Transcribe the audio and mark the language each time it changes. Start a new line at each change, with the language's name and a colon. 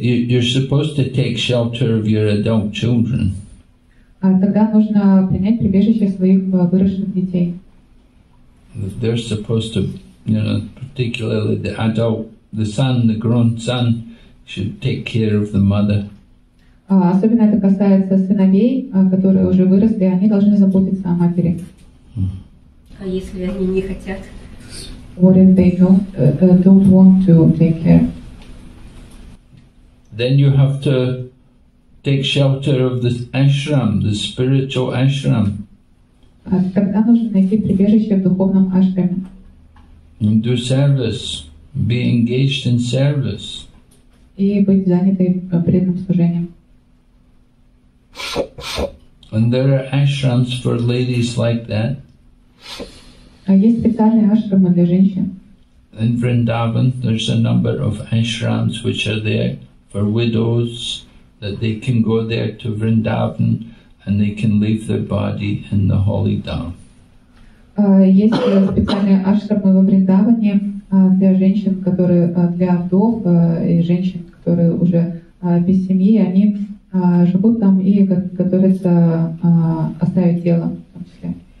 English: You're supposed to take shelter of your adult children.
Russian: Тогда нужно принять прибежище своих выросших детей.
English: They're supposed to, you know, particularly the adult, the son, the grown son, should take care of the mother.
Russian: Особенно это касается сыновей, которые уже выросли, они должны заботиться о матери. А если они не хотят?
English: What if they don't want to take care? Then you have to take shelter of the ashram, the spiritual ashram.
Russian: Тогда нужно найти прибежище в духовном ашраме.
English: And do service, be engaged in service.
Russian: И быть занятой преданным служением.
English: And there are ashrams for ladies like that.
Russian: Есть специальные ашрамы для женщин.
English: In Vrindavan, there's a number of ashrams which are there for widows, that they can go there to Vrindavan and they can leave their body in the holy dham.
Russian: Есть специальные ашрамы во Вриндаване для женщин, которые для вдов и женщин, которые уже без семьи, они живут там и готовятся оставить тело в том числе.